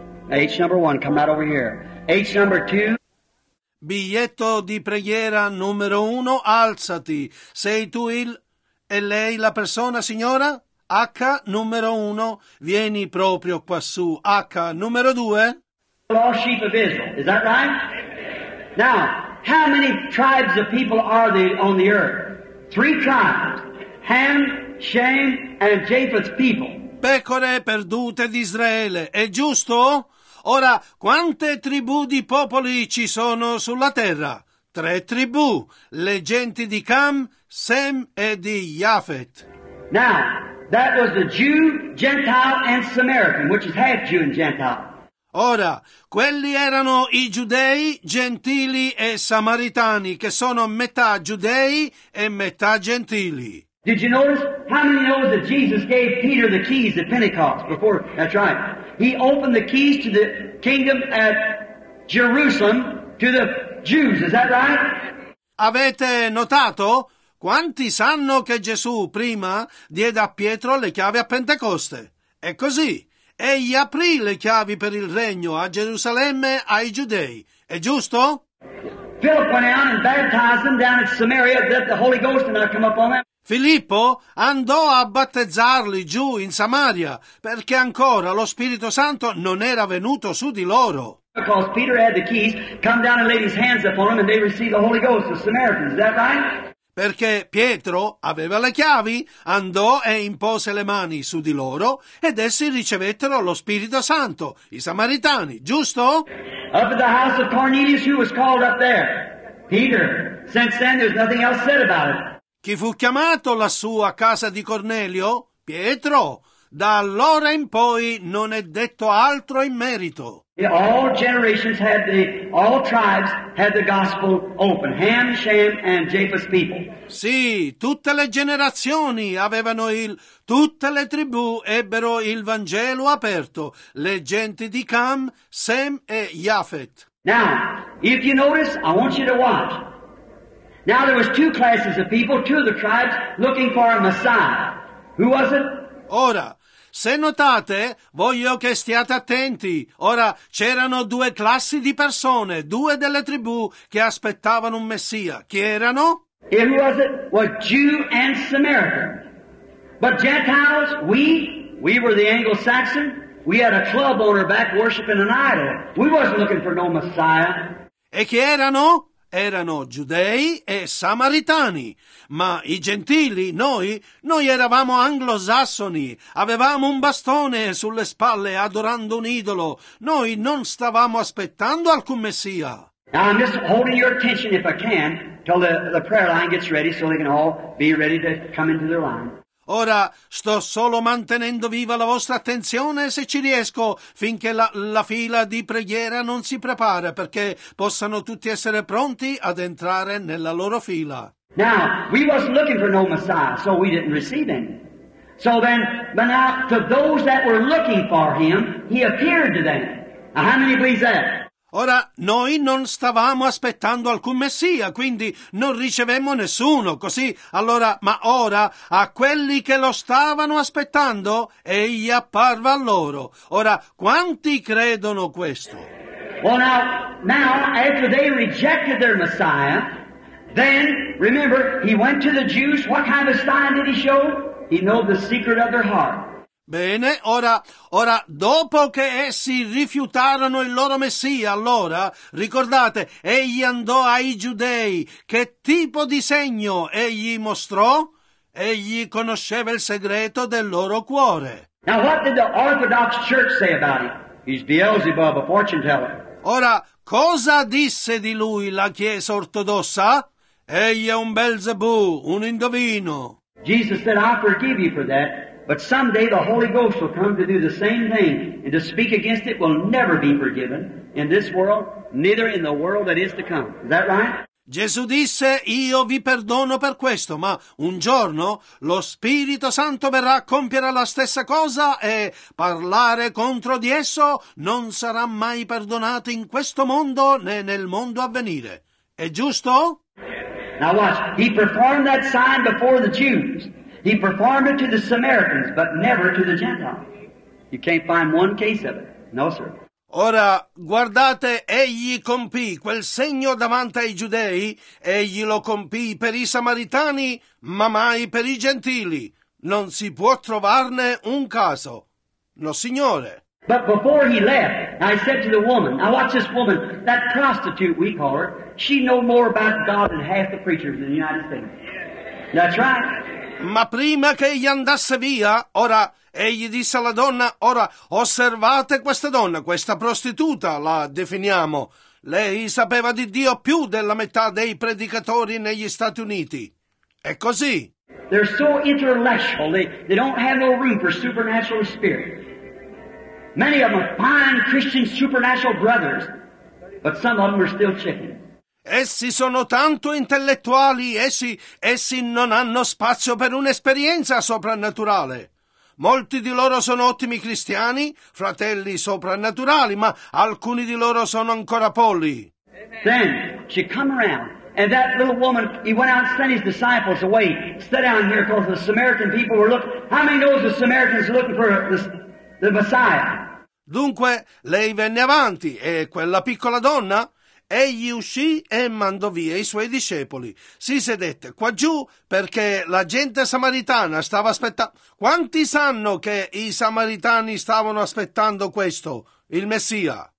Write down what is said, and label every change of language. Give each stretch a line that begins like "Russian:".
English: H number 1, come out over here. H number 2.
Italian: Biglietto di preghiera numero 1, alzati. Sei tu il... E lei la persona, signora? H numero 1, vieni proprio quassù. H numero 2?
English: All sheep of Israel, is that right? Now, how many tribes of people are there on the earth? Three tribes, Ham, Shem, and Japheth's people.
Italian: Pecore perdute di Israele, è giusto? Ora, quante tribù di popoli ci sono sulla terra? Tre tribù, le genti di Cam, Sem e di Japhet.
English: Now, that was the Jew, Gentile and Samaritan, which is half Jew and Gentile.
Italian: Ora, quelli erano i giudei, gentili e samaritani, che sono metà giudei e metà gentili.
English: Did you notice? How many know that Jesus gave Peter the keys at Pentecost before? That's right. He opened the keys to the kingdom at Jerusalem to the Jews, is that right?
Italian: Avete notato? Quanti sanno che Gesù prima diede a Pietro le chiavi a Pentecoste? È così. Egli aprì le chiavi per il regno a Gerusalemme ai giudei. È giusto?
English: Philip went out and baptized them down at Samaria that the Holy Ghost did not come upon them.
Italian: Filippo andò a battezzarli giù in Samaria perché ancora lo Spirito Santo non era venuto su di loro.
English: Because Peter had the keys, come down and laid his hands upon them and they received the Holy Ghost, the Samaritans, is that right?
Italian: Perché Pietro aveva le chiavi, andò e impose le mani su di loro ed essi ricevettero lo Spirito Santo, i Samaritani, giusto?
English: Up at the house of Cornelius, who was called up there? Peter, since then there's nothing else said about it.
Italian: Chi fu chiamato lassù a casa di Cornelio? Pietro. Da allora in poi non è detto altro in merito.
English: All generations had the, all tribes had the gospel open. Ham, Shem, and Japheth's people.
Italian: Sì, tutte le generazioni avevano il, tutte le tribù ebbero il Vangelo aperto. Le genti di Cam, Sem e Japheth.
English: Now, if you notice, I want you to watch. Now there was two classes of people, two of the tribes, looking for a Messiah. Who was it?
Italian: Ora, se notate, voglio che stiate attenti. Ora, c'erano due classi di persone, due delle tribù che aspettavano un Messia. Chi erano?
English: And who was it? Was Jew and Samaritan. But Gentiles, we were the Anglo-Saxon. We had a club on our back worshiping an idol. We wasn't looking for no Messiah.
Italian: E chi erano? Erano giudei e samaritani, ma i gentili, noi eravamo anglosassoni, avevamo un bastone sulle spalle adorando un idolo, noi non stavamo aspettando alcun Messia.
English: Now I'm just holding your attention if I can till the prayer line gets ready so they can all be ready to come into their line.
Italian: Ora sto solo mantenendo viva la vostra attenzione se ci riesco finché la fila di preghiera non si prepara perché possano tutti essere pronti ad entrare nella loro fila.
English: Now, we wasn't looking for no Messiah, so we didn't receive him. So then, but now, to those that were looking for him, he appeared to them. Now, how many believe that?
Italian: Ora, noi non stavamo aspettando alcun Messia, quindi non ricevemmo nessuno, così, allora, ma ora, a quelli che lo stavano aspettando, egli apparve a loro. Ora, quanti credono questo?
English: Well, now, after they rejected their Messiah, then, remember, he went to the Jews, what kind of sign did he show? He knew the secret of their heart.
Italian: Bene, ora, dopo che essi rifiutarono il loro Messia, allora, ricordate, egli andò ai giudei. Che tipo di segno egli mostrò? Egli conosceva il segreto del loro cuore.
English: Now what did the Orthodox Church say about him? He's Beelzebub, a fortune teller.
Italian: Ora, cosa disse di lui la Chiesa Ortodossa? Egli è un Belzebù, un indovino.
English: Jesus said, I forgive you for that. But someday the Holy Ghost will come to do the same thing, and to speak against it will never be forgiven in this world, neither in the world that is to come. Is that right?
Italian: Gesù disse, io vi perdono per questo, ma un giorno lo Spirito Santo verrà a compiere la stessa cosa e parlare contro di esso non sarà mai perdonato in questo mondo né nel mondo a venire. È giusto?
English: Now watch, he performed that sign before the Jews. He performed it to the Samaritans, but never to the Gentiles. You can't find one case of it. No, sir.
Italian: Ora, guardate, egli compì quel segno davanti ai giudei, egli lo compì per i samaritani, ma mai per i gentili. Non si può trovarne un caso. No, signore.
English: But before he left, I said to the woman, now watch this woman, that prostitute we call her, she know more about God than half the preachers in the United States. That's right.
Italian: Ma prima che egli andasse via, ora... Egli disse alla donna, ora osservate questa donna, questa prostituta, la definiamo. Lei sapeva di Dio più della metà dei predicatori negli Stati Uniti. È così.
English: They're so intellectual, they don't have no room for supernatural spirit. Many of them are fine Christian supernatural brothers, but some of them are still chicken.
Italian: Essi sono tanto intellettuali, essi non hanno spazio per un'esperienza soprannaturale. Molti di loro sono ottimi cristiani, fratelli soprannaturali, ma alcuni di loro sono ancora polli.
English: Then she come around, and that little woman, he went out and sent his disciples away. Stay down here, because the Samaritan people were looking. How many knows the Samaritans are looking for the Messiah?
Italian: Dunque, lei venne avanti, e quella piccola donna, egli uscì e mandò via i suoi discepoli. Si sedette qua giù perché la gente samaritana stava aspettando. Quanti sanno che i samaritani stavano aspettando questo, il Messia?